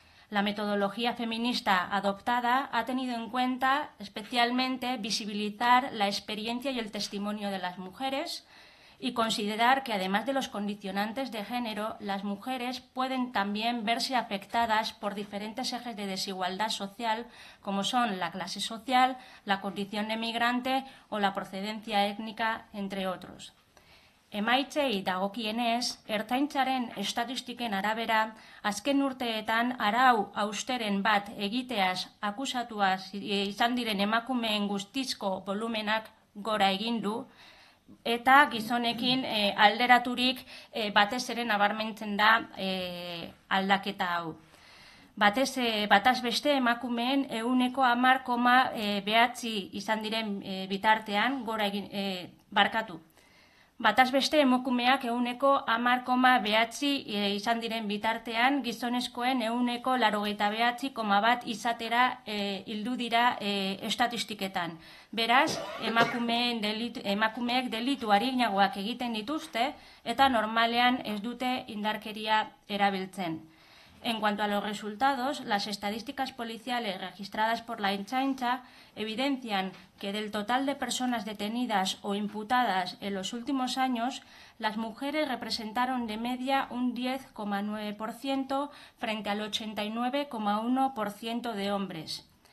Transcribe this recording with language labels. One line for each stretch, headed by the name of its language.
Spanish: La metodología feminista adoptada ha tenido en cuenta especialmente visibilizar la experiencia y el testimonio de las mujeres y considerar que además de los condicionantes de género, las mujeres pueden también verse afectadas por diferentes ejes de desigualdad social, como son la clase social, la condición de migrante o la procedencia étnica, entre otros.
Basque: Emaitzei dagokienez, Ertzaintzaren estatistiken arabera, azken urteetan arau austeren bat egiteaz akusatuaz izan diren emakumeen guztizko volumenak gora egin du, eta gizonekin alderaturik batez ere nabarmentzen da aldaketa hau. Bataz beste emakumeen 110,9 izan diren bitartean gora egin barkatu. Bataz beste emakumeak 110,9 izan diren bitartean gizonezkoen 89,1 izatera hildu dira estatistiketan. Beraz, emakumeek delitu arinagoak egiten dituzte eta normalean ez dute indarkeria erabiltzen.
Spanish: En cuanto a los resultados, las estadísticas policiales registradas por la Ertzaintza evidencian que del total de personas detenidas o imputadas en los últimos años, las mujeres representaron de media un 10,9% frente al 89,1% de hombres.